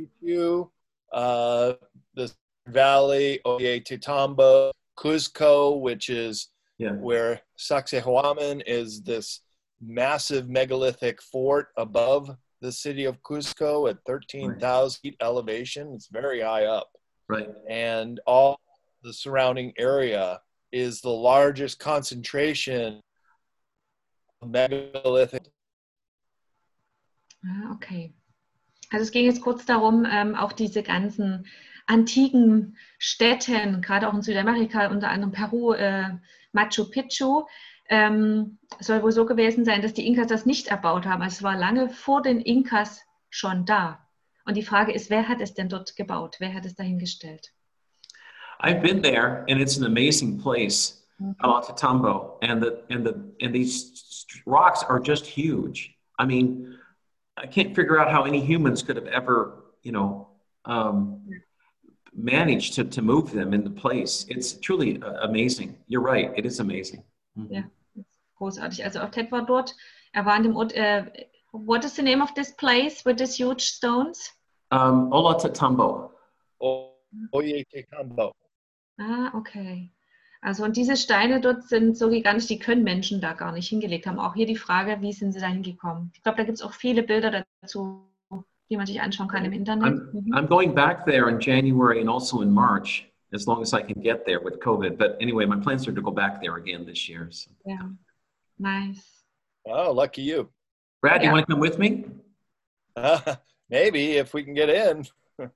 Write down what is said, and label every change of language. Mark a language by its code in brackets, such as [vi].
[en] The Valley, Ollantaytambo, Cuzco, which is where Sacsayhuaman is, this massive megalithic fort above the city of Cuzco at 13,000 feet elevation. It's very high up. Right. And all the surrounding area is the largest concentration of megalithic. Okay. [de] Also es ging jetzt kurz darum, auch diese ganzen antiken Städten, gerade auch in Südamerika, unter anderem Peru, Machu Picchu, soll wohl so gewesen sein, dass die Inkas das nicht erbaut haben. Also es war lange vor den Inkas schon da. Und die Frage ist, wer hat es denn dort gebaut? Wer hat es dahingestellt? [en] I've been there and it's an amazing place, Ollantaytambo. And these rocks are just huge. I mean, I can't figure out how any humans could have ever, you know, managed to move them in the place. It's truly amazing. You're right. It is amazing. [de] Mm-hmm. [en] Yeah, it's [de] großartig. Also, Ted war dort. Er war in dem Ort. [en] What is the name of this place with these huge stones? Ollantaytambo. Ollantaytambo. Ah, okay. [de] Also, und diese Steine dort sind so gigantisch, die können Menschen da gar nicht hingelegt haben. Auch hier die Frage, wie sind sie da hingekommen? Ich glaube, da gibt es auch viele Bilder dazu, die man sich anschauen kann im Internet. [en] I'm going back there in January and also in March, as long as I can get there with COVID. But anyway, my plans are to go back there again this year. So. Yeah, nice. Oh, lucky you. Brad, you want to come with me? Maybe, if we can get in.